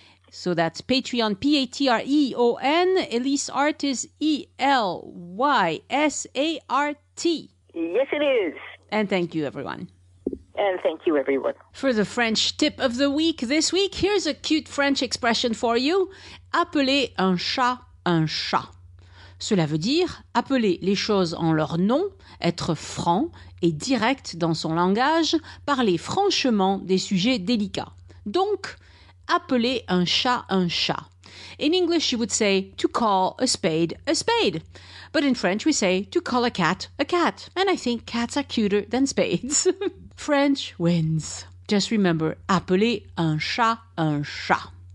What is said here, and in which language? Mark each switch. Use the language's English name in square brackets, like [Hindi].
[English] So that's Patreon, Patreon, Elyse Art is ElyseArt. Yes, it is. And thank you, everyone. And thank you, everyone. For the French tip of the week this week, here's a cute French expression for you. [French] Appeler un chat. Cela veut dire appeler les choses en leur nom, être franc et direct dans son langage, parler franchement des sujets délicats. Donc, appeler un chat un chat. [English] In English, you would say to call a spade a spade. But in French, we say to call a cat a cat. And I think cats are cuter than spades. French wins. Just remember, [French] appeler un chat un chat.